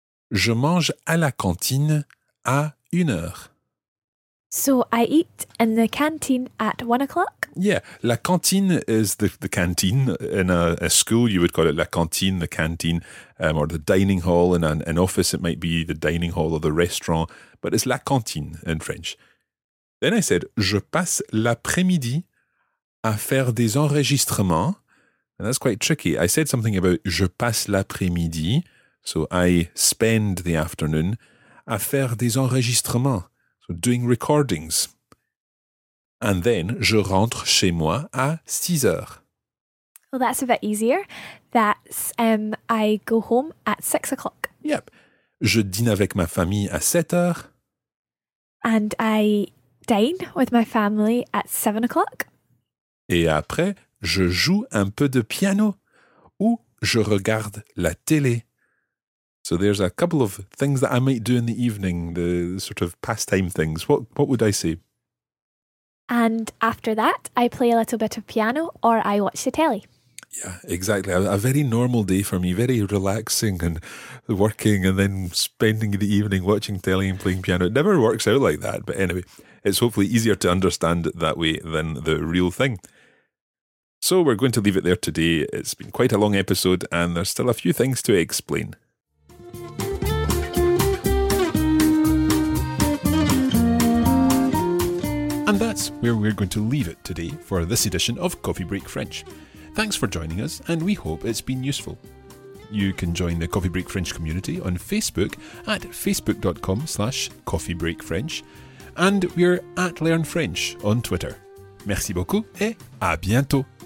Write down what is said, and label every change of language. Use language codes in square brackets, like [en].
[fr] Je mange à la cantine à 1 heure. [en] So I eat in the canteen at 1 o'clock? Yeah, la cantine is the canteen. In a school, you would call it la cantine, the canteen, or the dining hall. In an office, it might be the dining hall or the restaurant. But it's la cantine in French. Then I said, [fr] je passe l'après-midi à faire des enregistrements. [en] And that's quite tricky. I said something about [fr] je passe l'après-midi. [en] So I spend the afternoon [fr] à faire des enregistrements. [en] So doing recordings. And then [fr] je rentre chez moi à 6 heures. [en] Well, that's a bit easier. That's I go home at 6 o'clock. Yep. [fr] Je dîne avec ma famille à 7 heures. [en] And I dine with my family at 7 o'clock. [fr] Et après, je joue un peu de piano ou je regarde la télé. [en] So there's a couple of things that I might do in the evening, the sort of pastime things. What would I say? And after that, I play a little bit of piano or I watch the telly. Yeah, exactly. A very normal day for me, very relaxing and working and then spending the evening watching telly and playing piano. It never works out like that. But anyway, it's hopefully easier to understand that way than the real thing. So we're going to leave it there today. It's been quite a long episode and there's still a few things to explain. And that's where we're going to leave it today for this edition of Coffee Break French. Thanks for joining us, and we hope it's been useful. You can join the Coffee Break French community on Facebook at facebook.com/coffeebreakfrench, and we're at Learn French on Twitter. [fr] Merci beaucoup et à bientôt!